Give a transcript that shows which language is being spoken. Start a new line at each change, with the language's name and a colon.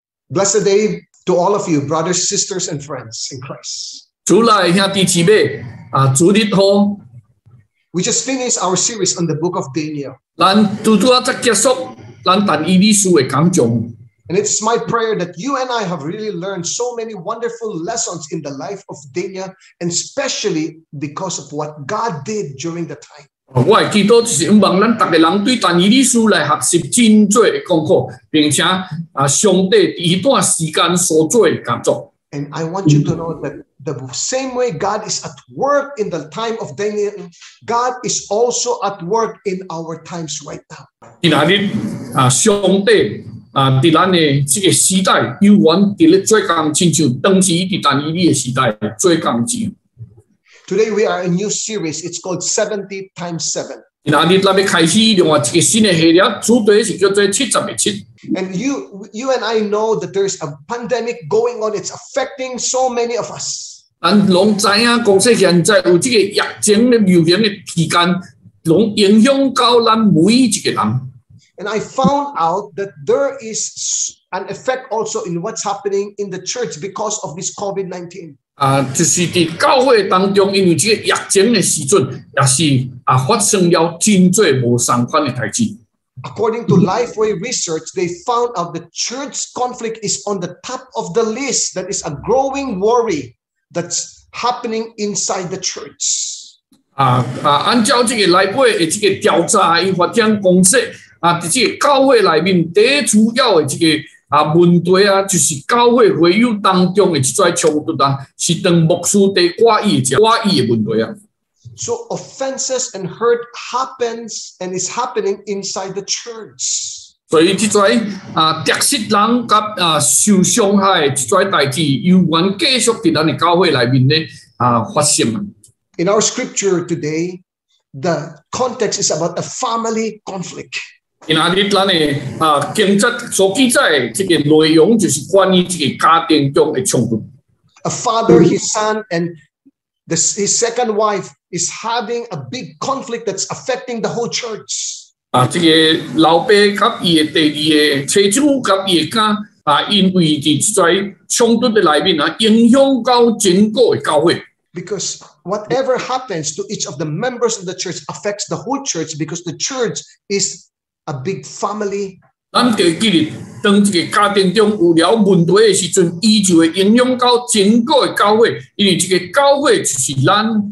English: Blessed day to all of you, brothers, sisters, and friends in Christ.
Min Nan Chinese: 主内兄弟姊妹，啊，主日好。
English: We just finished our series on the book of Daniel.
Min Nan Chinese: 咱拄拄啊才结束咱但以理书的讲章。
English: And it's my prayer that you and I have really learned so many wonderful lessons in the life of Daniel, and especially because of what God did during the time.
Min Nan Chinese: 我的祈祷就是希望咱大家人对但以理书来学习真多的功课，并且啊，上帝一段时间所做的工作。
English: And I want you to know that the same way God is at work in the time of Daniel, God is also at work in our times right now.
Min Nan Chinese: 今日啊，上帝啊，在咱的这个时代，有缘在咧做工，亲像当时在但以理的时代做工一样。
English: Today we are a new series. It's called 70 times 7.
Min Nan Chinese: 今日咱要开始另外一个新的系列，主题是叫做七十的七。
English: And you and I know that there's a pandemic going on. It's affecting so many of us.
Min Nan Chinese: 咱拢知影，讲说现在有这个疫情的流行的期间，拢影响到咱每一个人。
English: And I found out that there is an effect also in what's happening in the church because of this COVID-19.
Min Nan Chinese: 就是在教会当中，因为这个疫情的时阵，也是发生了真多无相关的代志。
English: According to LifeWay research, they found out the church conflict is on the top of the list. That is a growing worry that's happening inside the church.
Min Nan Chinese: 按照这个 LifeWay 的这个调查，伊发现公司在这个教会里面第一主要的这个问题啊，就是教会会友当中的这些冲突啊，是当牧师的挂意的问题啊。
English: So offenses and hurt happens and is happening inside the church.
Min Nan Chinese: 所以这些得失人和受伤害这些代志，有缘继续在咱的教会里面发生。
English: In our scripture today, the context is about a family conflict.
Min Nan Chinese: 今日咱的经节所记载这个内容，就是关于这个家庭中的冲突。
English: A father, his son, and his second wife. Is having a big conflict that's affecting the whole church.
Min Nan Chinese: 这个老爸甲伊的第二个妻子甲伊的家因为伫这些冲突的里面影响到整个的教会。
English: Because whatever happens to each of the members of the church affects the whole church because the church is a big family.
Min Nan Chinese: 咱就记得，当这个家庭中有了问题的时阵，伊就会影响到整个的教会，因为这个教会就是咱。